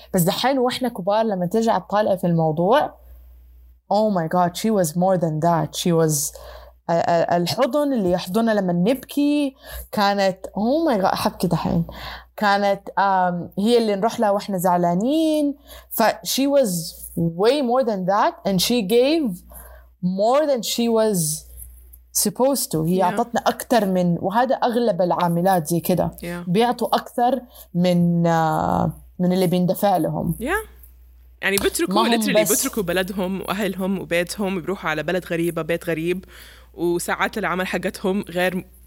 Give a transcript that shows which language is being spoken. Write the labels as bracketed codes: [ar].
[ar] بس دحين وإحنا كبار لما ترجع تطالع في الموضوع, [en] oh my god she was [ar] more than that, she was الحضن اللي يحضنه لما نبكي, كانت [en] oh my god [ar] حبكي دحين, كانت هي اللي نروح لها وإحنا زعلانين. [en] ف she was way more than that and she gave more than she was supposed to. [ar] هي [en] yeah. [ar] أعطتنا أكثر من, وهذا أغلب العاملات زي كده [en] yeah. [ar] بيعطوا أكثر من من اللي بيندفع لهم. [en] yeah. [ar] يعني بتركوا literally بتركوا بلدهم وأهلهم وبيتهم بيروحوا على بلد غريبة بيت غريب وساعات العمل حقتهم غير